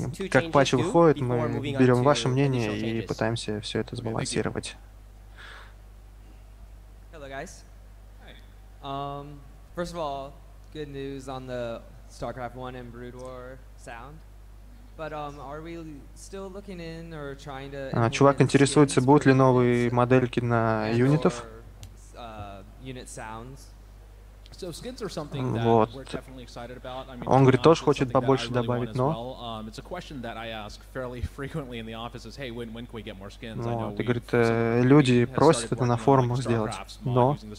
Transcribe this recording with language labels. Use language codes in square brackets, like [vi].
[ru] Как патчи выходят, мы берем ваше мнение и пытаемся все это сбалансировать. [en] Hello, guys. First of all, good news on the StarCraft 1 and Brood War sound. But are we still looking in or trying to [ru] Чувак интересуется, будут ли новые модельки на юнитов? [en] So skins are something that [ru] вот. [en] We're definitely excited about. I [ru] mean, он говорит, тоже хочет побольше добавить, но [en] it's a question that I ask fairly frequently in the office is, hey, when can we get more skins? [ru] Вот. Говорит, люди просят это на форумах сделать, но